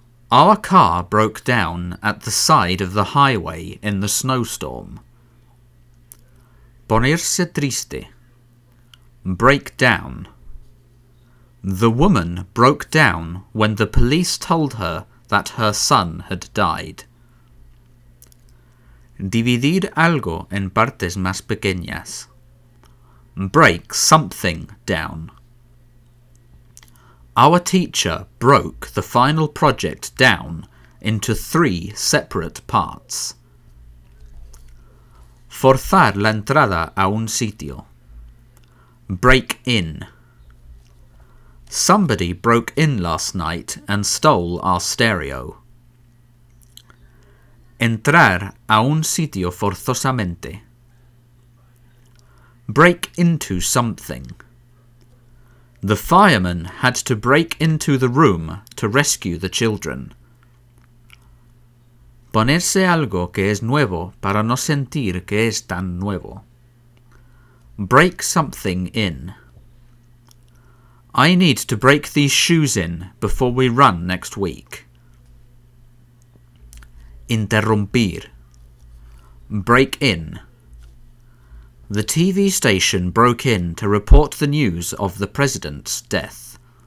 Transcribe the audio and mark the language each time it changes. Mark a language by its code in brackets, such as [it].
[en] Our car broke down at the side of the highway in the snowstorm. [es] Ponerse triste. [en] Break down. The woman broke down when the police told her that her son had died. [es] Dividir algo en partes más pequeñas. [en] Break something down. Our teacher broke the final project down into 3 separate parts. [es] Forzar la entrada a un sitio. [en] Break in. Somebody broke in last night and stole our stereo. [es] Entrar a un sitio forzosamente. [en] Break into something. The fireman had to break into the room to rescue the children. [es] Ponerse algo que es nuevo para no sentir que es tan nuevo. [en] Break something in. I need to break these shoes in before we run next week. [es] Interrumpir. [en] Break in. The TV station broke in to report the news of the president's death.